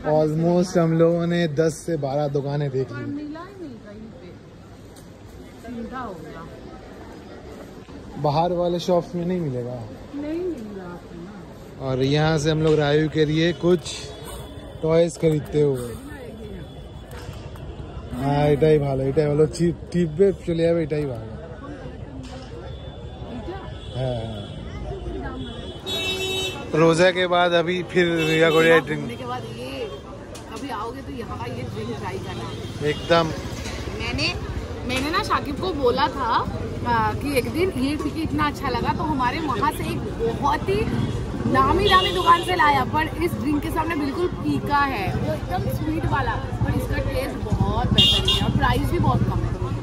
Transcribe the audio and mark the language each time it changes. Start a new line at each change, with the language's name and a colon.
Hindi: कर, ऑलमोस्ट हम लोगों ने 10 से 12 दुकानें देख ली, मिला ही नहीं कहीं पे, चिंता हो गया। बाहर वाले शॉप्स में नहीं मिलेगा, नहीं मिलेगा। और यहाँ से हम लोग रायू के लिए कुछ टॉयज खरीदते हुए,
Bangla: হ্যাঁ এটাই ভালো, এটাই ভালো, চিপ টিপবে চলে যাবে, এটাই ভালো। হ্যাঁ
Hindi: रोजा के बाद अभी फिर रिया को ड्रिंक के बाद ये कभी आओगे तो यहाँ का ये ड्रिंक ट्राई करना एकदम। मैंने मैंने ना शाकिब को बोला था कि एक दिन ये पीके इतना अच्छा लगा तो हमारे वहाँ से एक बहुत ही नामी दामी दुकान से लाया, पर इस ड्रिंक के सामने बिल्कुल पीका है, वो एकदम स्वीट वाला, पर इसका टेस्ट बहुत बेहतर है और प्राइस भी बहुत कम है।